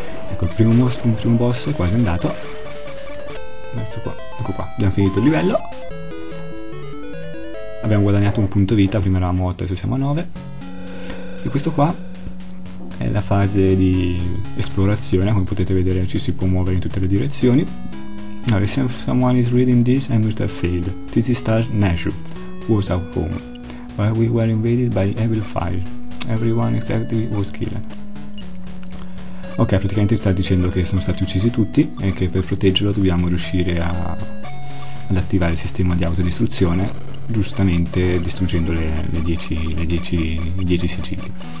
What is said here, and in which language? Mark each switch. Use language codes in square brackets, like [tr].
[it] Ecco, il primo boss è quasi andato. Ecco qua, abbiamo finito il livello. Abbiamo guadagnato un punto vita, prima eravamo 8, adesso siamo a 9. E questo qua è la fase di esplorazione, come potete vedere ci si può muovere in tutte le direzioni. [en] Now, if someone is reading this, I must have failed. This is Star Nashu, was at home. But we were invaded by evil fire. Everyone except me was killed. [it] Ok, praticamente sta dicendo che sono stati uccisi tutti e che per proteggerlo dobbiamo riuscire ad attivare il sistema di autodistruzione, giustamente distruggendo i 10 sigilli.